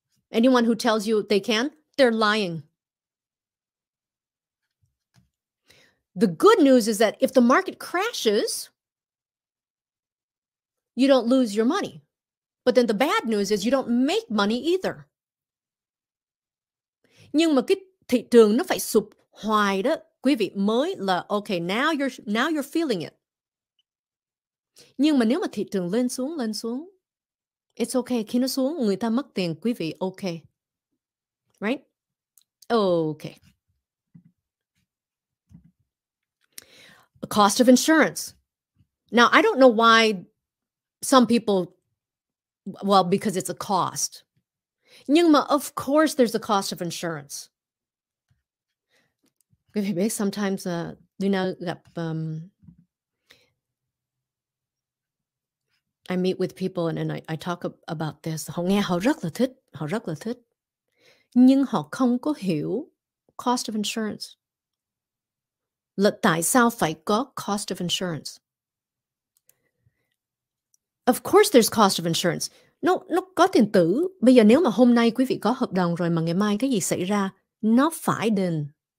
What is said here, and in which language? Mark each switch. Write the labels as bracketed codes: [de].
[en] Anyone who tells you they can, they're lying. The good news is that if the market crashes, you don't lose your money. But then the bad news is you don't make money either. [vi] Nhưng mà cái thị trường nó phải sụp hoài đó, quý vị mới là okay, [en] now you're feeling it. [vi] Nhưng mà nếu mà thị trường lên xuống, [en] it's okay, [vi] khi nó xuống người ta mất tiền, quý vị okay. [en] Right? Okay. The cost of insurance. Now, I don't know why some people, well, because it's a cost. [vi] Nhưng mà [en] of course there's a cost of insurance. [vi] Quý vị biết, [en] sometimes [vi] Leyna gặp, [en] I meet with people and I talk about this. [vi] Họ nghe họ rất là thích. Nhưng họ không có hiểu cost of insurance. Là tại sao phải có cost of insurance? [en] Of course there's cost of insurance. [vi] Nó có tiền tử. Bây giờ nếu mà hôm nay quý vị có hợp đồng rồi mà ngày mai cái gì xảy ra, nó phải đền.